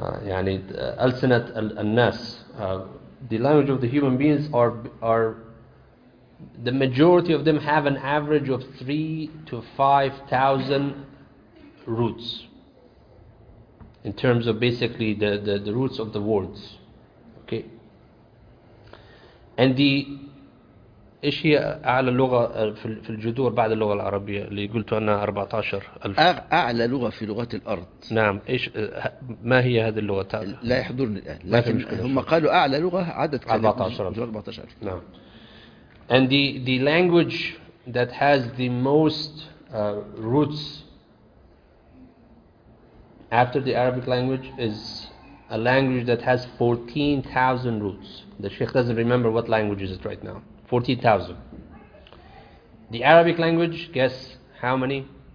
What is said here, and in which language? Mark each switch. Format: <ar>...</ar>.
<en>Yani, al-sinat al-nas, the language of the human beings are the majority of them have an average of 3,000 to 5,000 roots in terms of basically the roots of the words. Okay. And the</en> <ar>ايش هي اعلى لغه في الجذور بعد اللغه العربيه اللي قلت انها 14,000؟ اعلى لغه في لغات الارض. نعم. ايش ما هي هذه اللغه؟ لا يحضرني الان، لكن هم قالوا اعلى لغه عدد 14,000. نعم.</ar> <en>And the language that has the most roots after the Arabic language is a language that has 14,000 roots. The Sheikh doesn't remember what language is it right now. 14,000. The Arabic language, guess how many?</en>